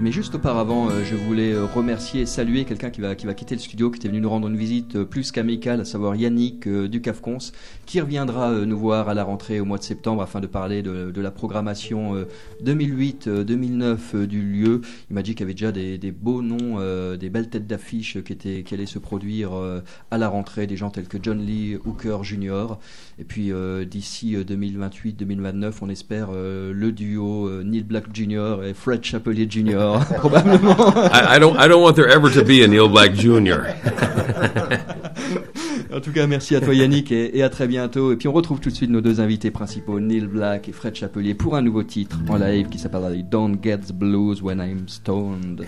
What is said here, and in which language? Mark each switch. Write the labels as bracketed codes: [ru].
[fr] Mais juste auparavant, je voulais remercier et saluer quelqu'un qui va quitter le studio, qui était venu nous rendre une visite plus qu'amicale, à savoir Yannick du CAFCONS, qui reviendra nous voir à la rentrée au mois de septembre afin de parler de la programmation 2008-2009 du lieu. Il m'a dit qu'il y avait déjà des beaux noms, des belles têtes d'affiches qui allaient se produire à la rentrée, des gens tels que John Lee Hooker Jr. Et puis d'ici 2028-2029, on espère le duo Neil Black Jr. et Fred Chapelier Jr. probablement. [en] I don't want there ever to be a Neil Black Jr. [fr] En tout cas, merci à toi Yannick et à très bientôt. Et puis on retrouve tout de suite nos deux invités principaux, Neil Black et Fred Chapelier, pour un nouveau titre en live qui s'appelle « Don't get the blues when I'm stoned ».